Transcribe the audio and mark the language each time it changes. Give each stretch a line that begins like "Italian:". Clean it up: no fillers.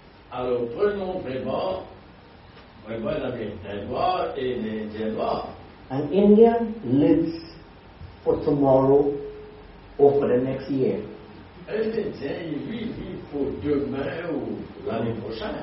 French: Alors prenons vraiment l'Américain noir et l'Indien noir.
English: An Indian lives for tomorrow or for the next year.
French: Un Indien vit pour demain ou l'année prochaine.